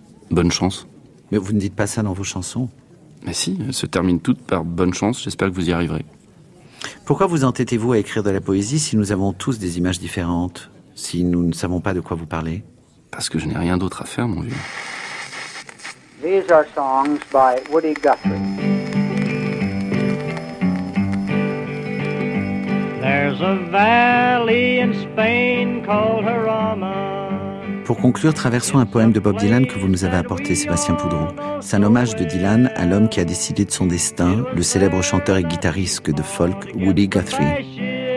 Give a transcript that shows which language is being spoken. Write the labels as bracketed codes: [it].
[fr] Bonne chance. Mais vous ne dites pas ça dans vos chansons? Mais si, elles se terminent toutes par bonne chance, j'espère que vous y arriverez. Pourquoi vous entêtez-vous à écrire de la poésie si nous avons tous des images différentes, si nous ne savons pas de quoi vous parlez? Parce que je n'ai rien d'autre à faire, mon vieux. [en] These are songs by Woody Guthrie. There's a valley in Spain called Jarama. [fr] Pour conclure, traversons un poème de Bob Dylan que vous nous avez apporté, Sébastien Poudreau. C'est un hommage de Dylan à l'homme qui a décidé de son destin, le célèbre chanteur et guitariste de folk, Woody Guthrie.